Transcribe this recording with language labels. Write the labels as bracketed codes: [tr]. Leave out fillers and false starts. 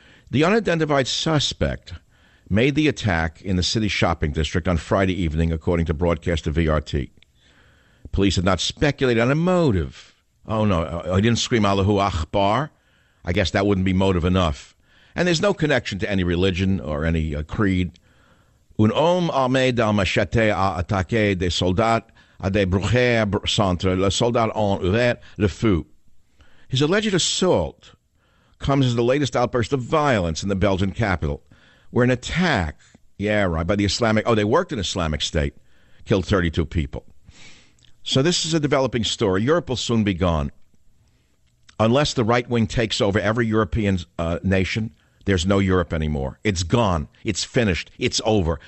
[en] The unidentified suspect made the attack in the city shopping district on Friday evening, according to broadcaster VRT. Police had not speculated on a motive. Oh, no, I didn't scream Allahu Akbar. I guess that wouldn't be motive enough. And there's no connection to any religion or any creed. [fr] Un homme armé d'un machete a attaqué des soldats à des brûchères centrales. Les soldats ont ouvert le feu. [en] His alleged assault comes as the latest outburst of violence in the Belgian capital, where an attack, yeah, right, by the Islamic, oh, they worked in Islamic State, killed 32 people. So this is a developing story. Europe will soon be gone. Unless the right wing takes over every European nation, there's no Europe anymore. It's gone. It's finished. It's over.